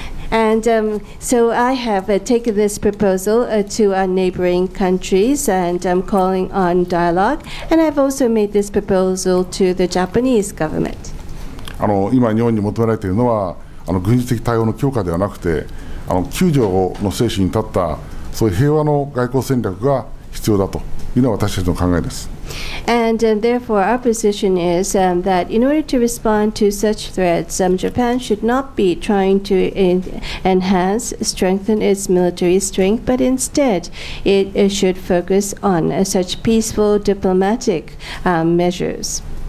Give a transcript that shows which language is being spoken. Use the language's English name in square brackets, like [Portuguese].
[English] And so I have taken this proposal to our neighboring countries, and I'm calling on dialogue. And I've also made this proposal to the Japanese government. [Japanese] 今日本に求められているのは軍事的対応の強化ではなくて、救助の精神に立ったそういう平和の外交戦略が必要だというのが私たちの考えです。 [English] And therefore, our position is that in order to respond to such threats, Japan should not be trying to enhance, strengthen its military strength, but instead, it should focus on such peaceful diplomatic measures.